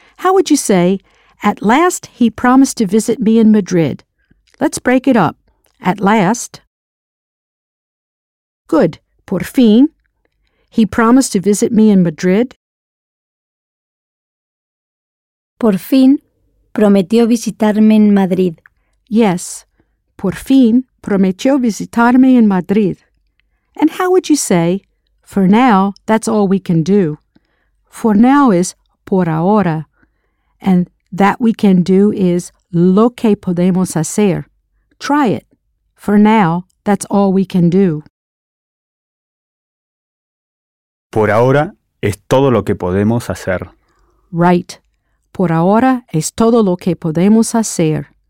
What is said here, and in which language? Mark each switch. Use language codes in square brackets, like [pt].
[en] How would you say, at last he promised to visit me in Madrid? Let's break it up. At last. Good. [es] Por fin. [en] He promised to visit me in Madrid. [es] Por fin, prometió visitarme en Madrid. [en] Yes. [es] Por fin. Prometió visitarme en Madrid. [en] And how would you say, for now, that's all we can do? For now is por ahora. And that we can do is [es] lo que podemos hacer. [en] Try it. For now, that's all we can do. [es] Por ahora es todo lo que podemos hacer. [en] Right. [es] Por ahora es todo lo que podemos hacer.